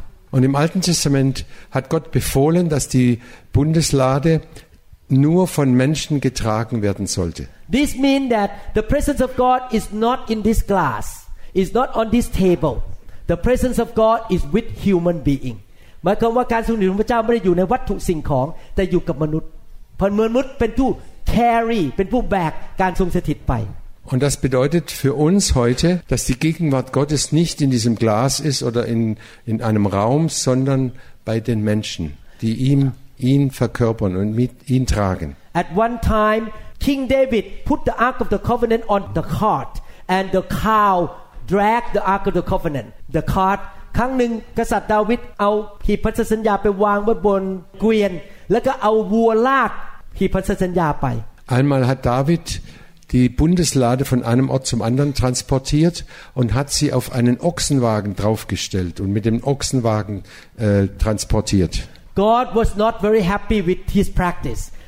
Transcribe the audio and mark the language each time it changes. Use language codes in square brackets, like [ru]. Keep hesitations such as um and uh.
[de] Und im Alten Testament hat Gott befohlen, dass die Bundeslade nur von Menschen getragen werden sollte. [en] This means that the presence of God is not in this glass, is not on this table. The presence of God is with human being. [th] หมายความว่าการสูงหนุนพระเจ้าไม่ได้อยู่ในวัตถุสิ่งของ แต่อยู่กับมนุษย์เพราะมนุษย์เป็นผู้ carry เป็นผู้แบก การทรงสถิตไป [de] Und das bedeutet für uns heute, dass die Gegenwart Gottes nicht in diesem Glas ist oder in, in einem Raum, sondern bei den Menschen, die ihm, ihn verkörpern und ihn tragen. [en] At one time, King David put the Ark of the Covenant on the cart and the cow dragged the Ark of the Covenant, the cart. [th] ครั้งหนึ่งกษัตริย์ดาวิดเอาหีบพันธสัญญาไปวางไว้บนเกวียนแล้วก็เอาวัวลากหีบพันธสัญญาไป [de] Einmal hat David die Bundeslade von einem Ort zum anderen transportiert und hat sie auf einen Ochsenwagen draufgestellt und mit dem Ochsenwagen äh, transportiert. God was not very happy with his practice.